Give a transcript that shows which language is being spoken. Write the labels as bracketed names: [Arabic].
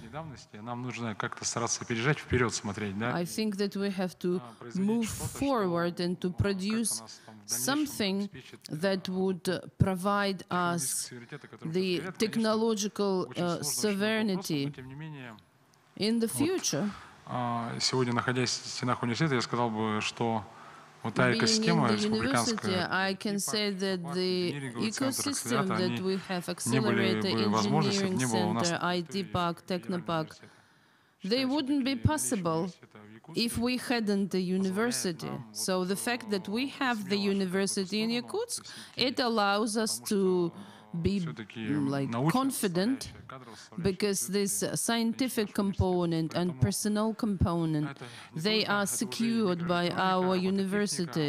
[English] I think that we have to move forward and to produce something that would provide us the technological sovereignty in the future. [Russian] Сегодня, находясь в стенах университета, я сказал бы, что вот та экосистема республиканская, [English] I can say that the ecosystem that we have accelerated engineering center, IT park, technopark, they wouldn't be possible if we hadn't the university. So the fact that we have the university in Yakutsk, it allows us to be like confident, because this scientific component and personnel component, they are secured by our university.